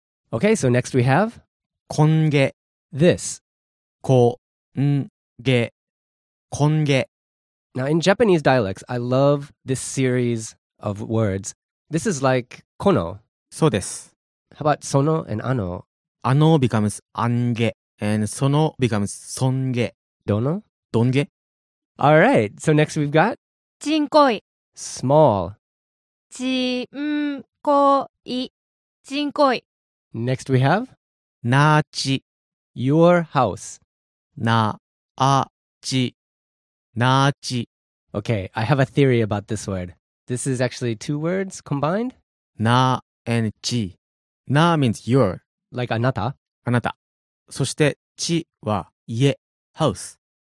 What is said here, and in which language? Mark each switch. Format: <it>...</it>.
<en>Okay, so next we have...</en> <ja>今月</ja> <en>This.</en> <ja>こんげ、こんげ。</ja> <en>Now, in Japanese dialects, I love this series of words. This is like この。</en> <ja>そうです。</ja> <en>How about そのand あの? あの becomes あんげ and その becomes そんげ。</en> <ja>どの? どんげ。</ja> <en>All right, so next we've got?</en> <ja>ちんこい。</ja> <en>Small.</en> <ja>ちんこい。ちんこい。</ja> <en>Next we have?</en> <ja>なち。</ja> <en>Your house.</en> <ja>なあち、なあち。</ja> <en>Okay, I have a theory about this word. This is actually two words combined. な and ち。な means your. Like あなた。</en> <ja>あなた。そしてちは家、house.</ja>